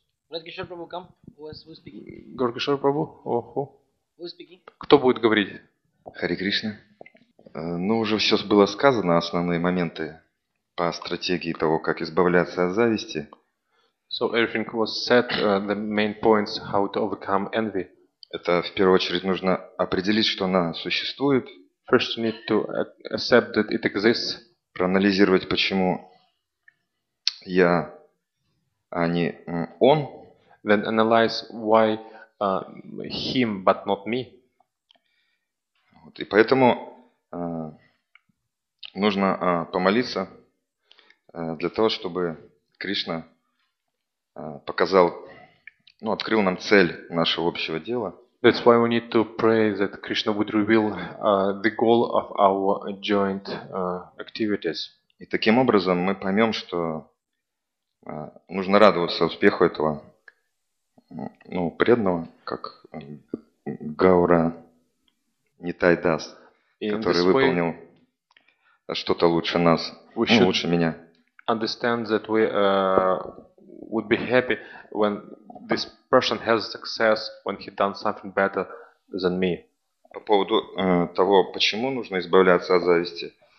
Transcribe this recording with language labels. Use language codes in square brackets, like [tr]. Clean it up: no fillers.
[en] Горкишор Прабху, come. Who is speaking? [ru] Горкишор Прабху? Оху. [en] Who is speaking? [ru] Кто будет говорить? Харе Кришна. Ну, уже все было сказано, основные моменты по стратегии того, как избавляться от зависти. [en] So everything was set, the main points how to overcome envy. [ru] Это в первую очередь нужно определить, что она существует. [en] First you need to accept that it exists. [ru] Проанализировать, почему я, а не он. [en] Then analyze why him, but not me. [ru] Вот, и поэтому нужно помолиться для того, чтобы Кришна показал, ну, открыл нам цель нашего общего дела. [en] That's why we need to pray that Krishna would reveal the goal of our joint activities. [ru] И таким образом мы поймем, что нужно радоваться успеху этого, ну, преданного, как Гаура Нитай Дас, который выполнил что-то лучше нас, ну, лучше меня. [en] Understand that we would be happy when this person has success, when he done something better than me. [ru] По поводу того, почему нужно избавляться от зависти.